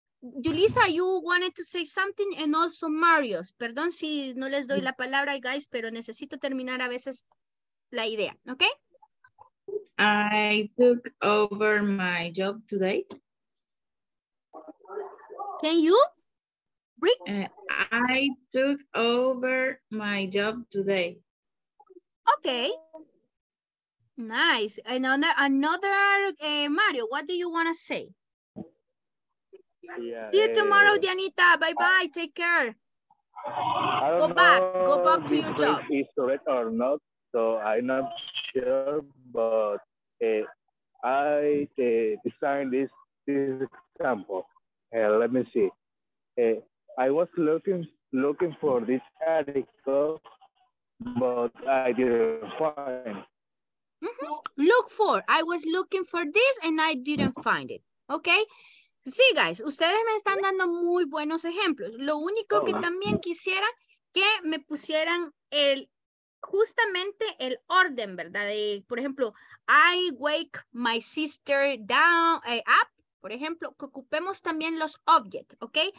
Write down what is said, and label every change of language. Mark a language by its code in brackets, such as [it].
[en] Yulisa, you wanted to say something and also Marios. [es] Perdón si no les doy la palabra, guys, pero necesito terminar a veces la idea, ¿ok? [en] I took over my job today. Can you? Break? I took over my job today. Okay, nice. And another, Mario, what do you want to say? Yeah, see you tomorrow, Dianita. Bye bye. Take care. Go back to your job. Is correct or not? So I'm not sure, but I designed this example. Let me see. I was looking for this article. But I didn't find. Mm-hmm. Look for. I was looking for this and I didn't find it. Okay. Sí, guys. [es] Ustedes me están dando muy buenos ejemplos. Lo único que también quisiera que me pusieran el justamente el orden, ¿verdad? De, por ejemplo, [en] I wake my sister down, up, [es] por ejemplo, que ocupemos también los objects, ¿ok?